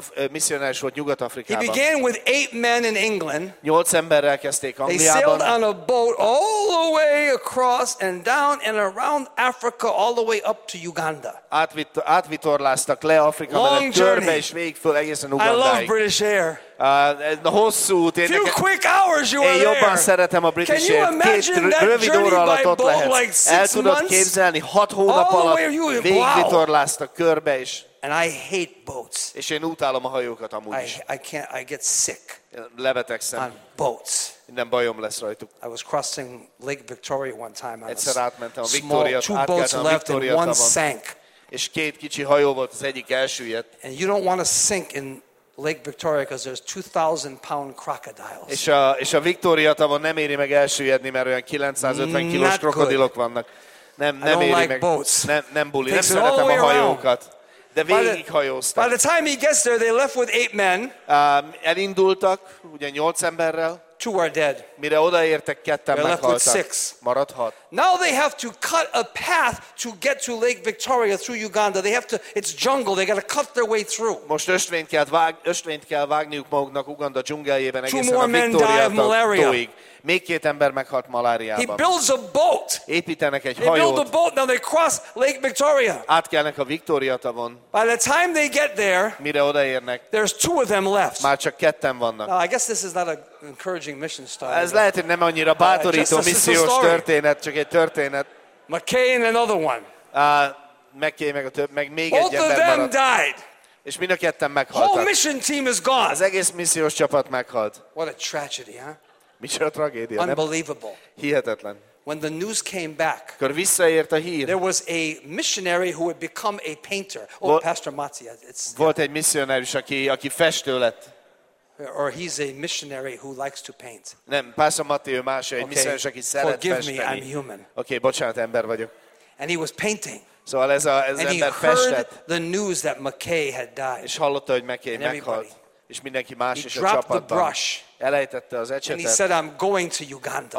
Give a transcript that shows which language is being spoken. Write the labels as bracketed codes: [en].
[hu] Missionáris volt Nyugat-Afrikában. [en] He began with 8 men in England. [hu] 8 emberrel kezdték Angliában. [en] They sailed on a boat all the way across and down and around Africa all the way up to Uganda. [hu] Átvitorláztak le Afrika mellett, körbe és végig föl egészen Ugandáig. [en] I love British Air. [hu] Hosszú út. [en] Few quick hours you were there. [hu] Én jobban szeretem a British Air. [en] Can you imagine that [hu] rövid óra alatt ott lehetsz. [en] Like [hu] el tudod képzelni, 6 hónap alatt végigvitorláztak körbe is. [en] And I hate boats. [hu] És én utálom a hajókat amúgy is. [en] I get sick. [hu] Lebetegszem. [en] On boats. [hu] Minden bajom lesz rajtuk. [en] I was crossing Lake Victoria one time. [hu] Egyszer átmentem a Victoria-t, átkeltem a Victoria-t, és 2 kicsi hajó volt, az egyik elsüllyedt. [en] And you don't want to sink in Lake Victoria because there's 2,000-pound crocodiles. [hu] És a Victoria-tavon nem éri meg elsüllyedni, mert olyan 950 kilós krokodilok vannak. Nem éri [en] like [hu] meg. [en] Boats. [hu] Nem buli. Nem szeretem a hajókat. De végighajóztak. [en] By the time he gets there, they left with 8 men. [hu] Elindultak, ugye 8 emberrel. [en] 2 are dead. [hu] Mire odaértek, 2 meghaltak. [en] They left with 6. [hu] Maradt 6. [en] Now they have to cut a path to get to Lake Victoria through Uganda. They have to. It's jungle. They got to cut their way through. [hu] Most ösvényt kell vágniuk maguknak Uganda dzsungeljében egészen a Victoria-tóig. Még 2 ember meghalt maláriában. [en] He builds a boat. [hu] Építenek egy hajót. [en] They build a boat, now they cross Lake Victoria. [hu] Átkelnek a Victoria tavon. [en] By the time they get there, [hu] mire odaérnek, [en] there's 2 of them left. [hu] Már csak 2 vannak. [en] Now, I guess this is not an encouraging mission story. [hu] Ez lehet, hogy nem annyira bátorító missziós történet, csak egy történet. [en] McKay and another one. [hu] McKay meg a több, meg még [en] both [hu] egy ember maradt. [en] Both of them died. [hu] És mind a 2 meghaltak. [en] Whole mission team is gone. [hu] Az egész missziós csapat meghalt. [en] What a tragedy, huh? [hu] Micsoda tragédia, [en] unbelievable. [hu] Hihetetlen. [en] When the news came back, [hu] kör visszaért a hír. [en] There was a missionary who had become a painter. Pastor Matia, [hu] volt egy missionárius, aki festő lett. [en] Or he's a missionary who likes to paint. [hu] Nem, Pastor Matia más, egy missionárius, aki szeret festeni. [en] Forgive me, I'm human. [hu] Okay, bocsánat, ember vagyok. [en] And he was painting. [hu] Szóval ez ember festett. [en] The news that McKay had died. [hu] És hallotta, hogy McKay meghalt. és mindenki más is a csapatban. Elejtette az ecsetet. [en] And he said, I'm going to Uganda.